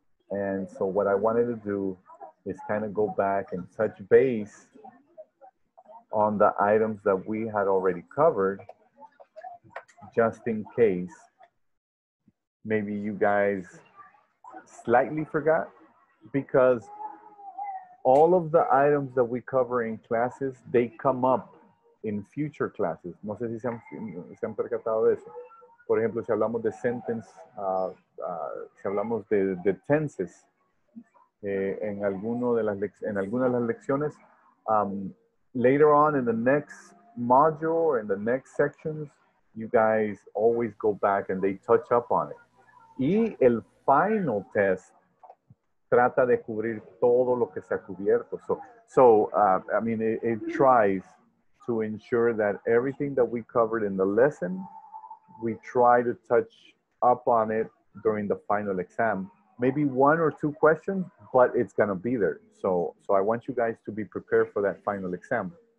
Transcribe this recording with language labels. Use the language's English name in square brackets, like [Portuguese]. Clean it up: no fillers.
[English] And so what I wanted to do is kind of go back and touch base on the items that we had already covered, just in case maybe you guys slightly forgot, because all of the items that we cover in classes, they come up in future classes. [Spanish] No sé si se han percatado de eso. Por ejemplo, si hablamos de sentence, si hablamos de tenses, en alguna de las lecciones, [English] later on in the next module or in the next sections, you guys always go back and they touch up on it. [Spanish] Y el final test trata de cubrir todo lo que se ha cubierto. [English] So it tries to ensure that everything that we covered in the lesson, we try to touch up on it during the final exam. Maybe one or two questions, but it's going to be there. So I want you guys to be prepared for that final exam.